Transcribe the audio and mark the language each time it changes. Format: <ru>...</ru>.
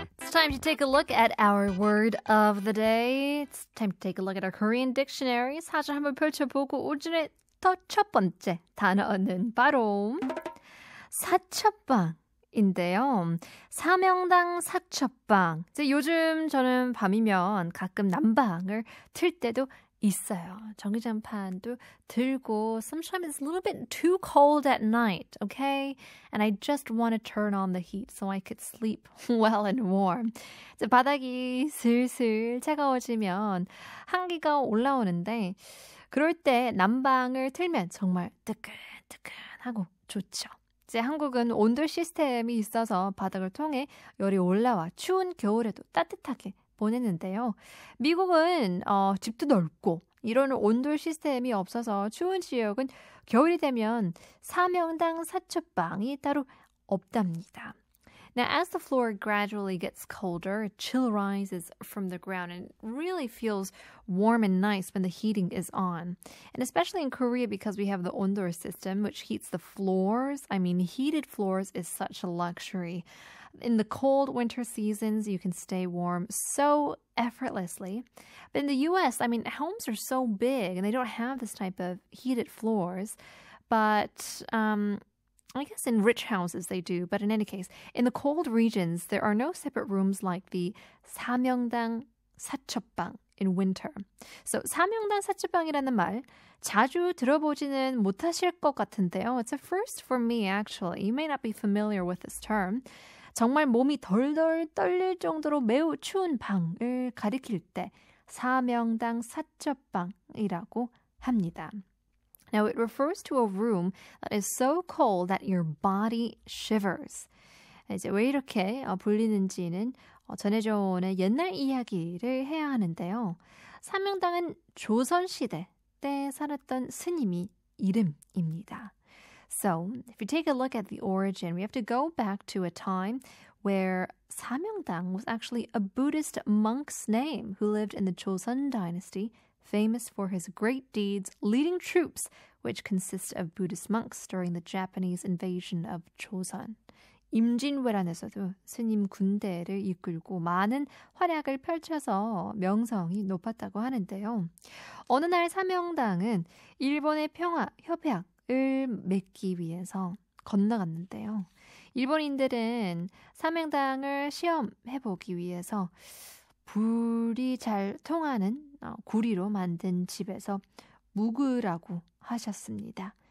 <en>time to take a look at our word of the day. It's time to take a look at our Korean dictionary.</en> <ko>사전 한번 펼쳐보고 오늘의 첫 번째 단어는 바로 사첩방인데요. 사명당 사첩방. 이제 요즘 저는 밤이면 가끔 난방을 틀 때도 있어요. 전기장판도 들고</ko> <en>sometimes it's a little bit too cold at night, okay? And I just want to turn on the heat so I could sleep well and warm.</en> <ko>이제 바닥이 슬슬 차가워지면 한기가 올라오는데 그럴 때 난방을 틀면 정말 뜨끈뜨끈하고 좋죠. 이제 한국은 온도 시스템이 있어서 바닥을 통해 열이 올라와 추운 겨울에도 따뜻하게 보냈는데요. 미국은 집도 넓고 이런 온도 시스템이 없어서 추운 지역은 겨울이 되면 사명당 사첩방이 따로 없답니다.</ko> <en>Now, as the floor gradually gets colder, chill rises from the ground and really feels warm and nice when the heating is on. And especially in Korea, because we have the ondor system, which heats the floors. I mean, heated floors is such a luxury. In the cold winter seasons, you can stay warm so effortlessly. But in the U.S., I mean, homes are so big and they don't have this type of heated floors. But I guess in rich houses they do, but in any case, in the cold regions, there are no separate rooms like the 사명당 사첩방 in winter.</en> <ko>So 사명당 사첩방이라는 말 자주 들어보지는 못하실 것 같은데요.</ko> <en>It's a first for me, actually. You may not be familiar with this term.</en> <ko>정말 몸이 덜덜 떨릴 정도로 매우 추운 방을 가리킬 때 사명당 사첩방이라고 합니다.</ko> <en>Now, it refers to a room that is so cold that your body shivers.</en> <ko>이제 왜 이렇게 불리는지는 전해져온 옛날 이야기를 해야 하는데요. 사명당은 조선시대 때 살았던 스님이 이름입니다.</ko> <en>So, if you take a look at the origin, we have to go back to a time where 사명당 was actually a Buddhist monk's name who lived in the Joseon Dynasty, famous for his great deeds leading troops, which consist of Buddhist monks during the Japanese invasion of Joseon.</en> <ko>임진왜란에서도 스님 군대를 이끌고 많은 활약을 펼쳐서 명성이 높았다고 하는데요. 어느 날 사명당은 일본의 평화 협약을 맺기 위해서 건너갔는데요. 일본인들은 사명당을 시험해보기 위해서 불이 잘 통하는 구리로 만든 집에서 묵으라고 하셨습니다.</ko>